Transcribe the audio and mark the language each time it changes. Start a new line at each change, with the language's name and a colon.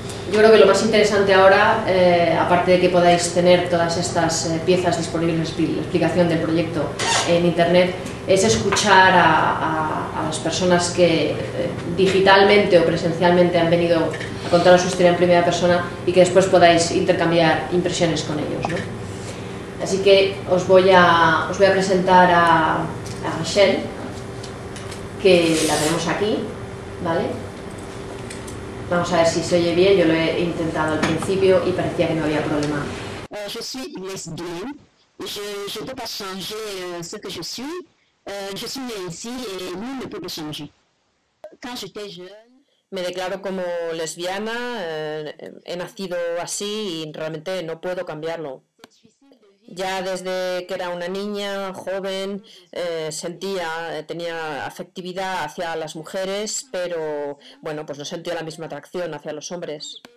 Spanish: Yo creo que lo más interesante ahora, aparte de que podáis tener todas estas piezas disponibles, la explicación del proyecto en internet, es escuchar a las personas que digitalmente o presencialmente han venido a contar su historia en primera persona y que después podáis intercambiar impresiones con ellos, ¿no? Así que os voy a presentar a Rachel, que la tenemos aquí, ¿vale? Vamos a ver si se oye bien, yo lo he intentado al principio y parecía que no había problema.
French: Je suis lesbienne, je peux pas changer ce que je suis. Je suis née ici et nous ne pouvons changer. Quand j'étais jeune,
Spanish: me declaro como lesbiana, he nacido así y realmente no puedo cambiarlo. Ya desde que era una niña joven, tenía afectividad hacia las mujeres, pero bueno, pues no sentía la misma atracción hacia los hombres.